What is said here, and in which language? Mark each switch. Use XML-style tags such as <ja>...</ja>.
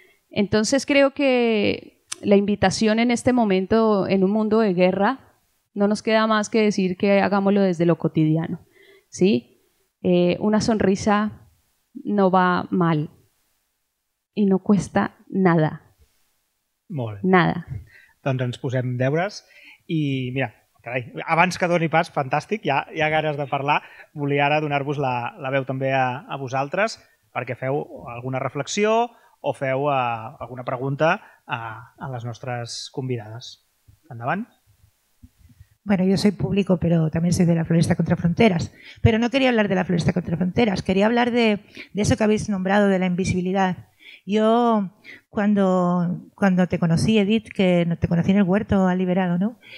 <es>Entonces creo que la invitación en este momento, en un mundo de guerra, no nos queda más que decir que hagámoslo desde lo cotidiano, ¿sí? Una sonrisa no va mal y no cuesta nada.</es> <ca>Molt.</ca> <es>Nada.</es> <ca>Doncs ens posem deures i mira, carai, abans que doni pas, fantàstic, ja hi ha ganes de parlar, volia ara donar-vos la veu també a vosaltres perquè feu alguna reflexió o feu alguna pregunta a les nostres convidades. Endavant.</ca> <es>Bueno, yo soy público, pero también soy de la Floresta Contra Fronteras. Pero no quería hablar de la Floresta Contra Fronteras, quería hablar de eso que habéis nombrado, de la invisibilidad. Yo, cuando te conocí, Edith, que te conocí en el huerto, ha liberado, ¿no?</es>